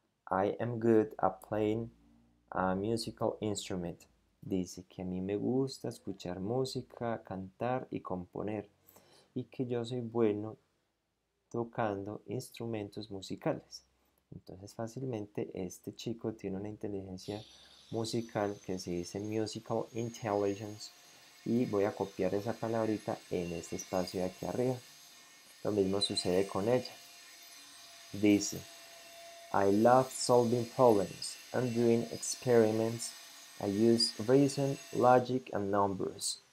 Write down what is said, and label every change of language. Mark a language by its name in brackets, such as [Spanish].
[English] I am good at playing a musical instrument. [Spanish] Dice que a mí me gusta escuchar música, cantar y componer. Y que yo soy bueno tocando instrumentos musicales. Entonces, fácilmente, este chico tiene una inteligencia musical que se dice musical intelligence. Y voy a copiar esa palabrita en este espacio de aquí arriba. Lo mismo sucede con ella. Dice, [English] I love solving problems and doing experiments. I use reason, logic and numbers.